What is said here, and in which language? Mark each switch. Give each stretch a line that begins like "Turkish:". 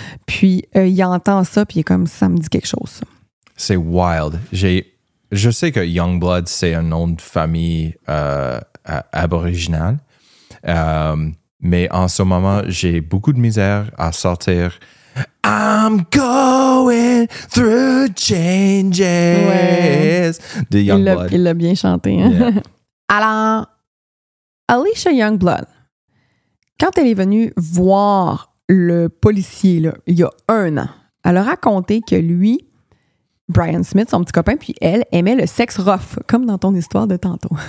French: Puis, il entend ça, puis il est comme, ça me dit quelque chose. C'est wild. Je sais que Youngblood, c'est un nom de famille aboriginale. Mais en ce moment, j'ai beaucoup de misère à sortir...
English: I'm going through changes.
French: Ouais. De Youngblood. Il l'a bien chanté. Hein? Yeah. Alors, Alicia Youngblood, quand elle est venue voir le policier là, il y a un an, elle a raconté que lui, Brian Smith, son petit copain, puis elle, aimait le sexe rough, comme dans ton histoire de tantôt.